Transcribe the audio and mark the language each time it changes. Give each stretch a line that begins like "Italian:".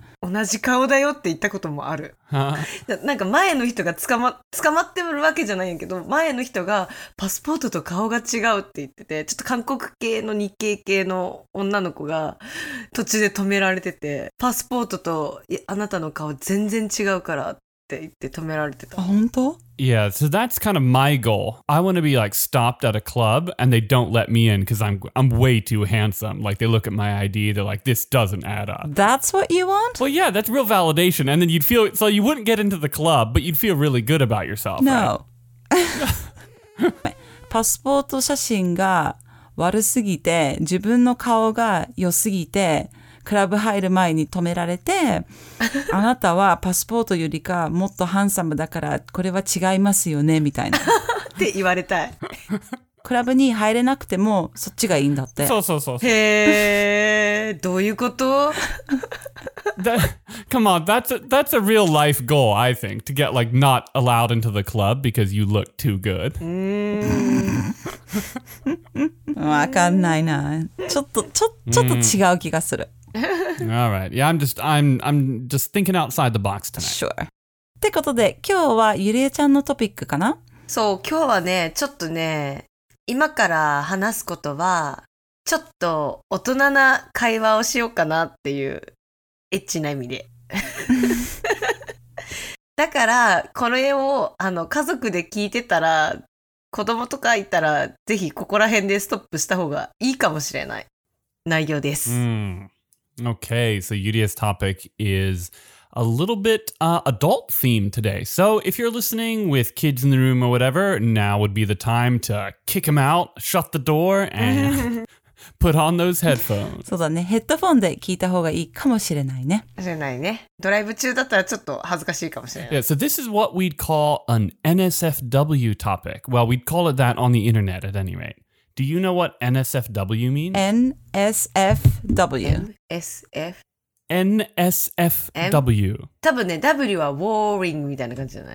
Japanese: 同じ顔だよって言ったこともある。なんか前の人が捕まってるわけじゃないんやけど、前の人がパスポートと顔が違うって言ってて、ちょっと韓国系の日系系の女の子が途中で止められてて、パスポートとあなたの顔全然違うからって言って止められてた。本当？
English: Yeah, so that's kind of my goal. I want to be like stopped at a club and they don't let me in because I'm way too handsome. Like they look at my ID, they're like, this doesn't add up. That's what you want? Well, yeah, that's real validation. And then you'd feel, so you wouldn't get into the club, but you'd feel really good about yourself. No.
Japanese: パスポート写真が悪すぎて、自分の顔が良すぎて、クラブ入る前に止められて、あなたはパスポートよりかもっとハンサムだから、これは違いますよね、みたいな。って言われたい。クラブに入れなくても、そっちがいいんだって。そう。へー、どういうこと？
English: Come on, that's a real life goal, I think, to get like not allowed into the club because you look too good.
Japanese: わかんないな。ちょっと違う気がする。
English: All right. Yeah, I'm just thinking outside the box tonight. Sure.
Japanese: ってことで、今日はゆりえちゃんのトピックかな？そう、今日はね、ちょっとね、今から話すことは、ちょっと大人な会話をしようかなっていう、エッチな意味で。だから、この絵を、あの、家族で聞いてたら、子供とかいたら、ぜひここら辺でストップした方がいいかもしれない内容です。
English: Mm. Okay, so Yuria's topic is a little bit adult theme today. So if you're listening with kids in the room or whatever, now would be the time to kick them out, shut the door, and put on those headphones.
Japanese: そうだね、ヘッドフォンで聞いた方がいいかもしれないね。しれないね。ドライブ中だったらちょっと恥ずかしいかもしれない。
English: Yeah, so this is what we'd call an NSFW topic. Well, we'd call it that on the internet at any rate. Do you know what NSFW means? NSFW. NSFW.
Japanese: 多分ね、W は Warring みたいな感じじゃない？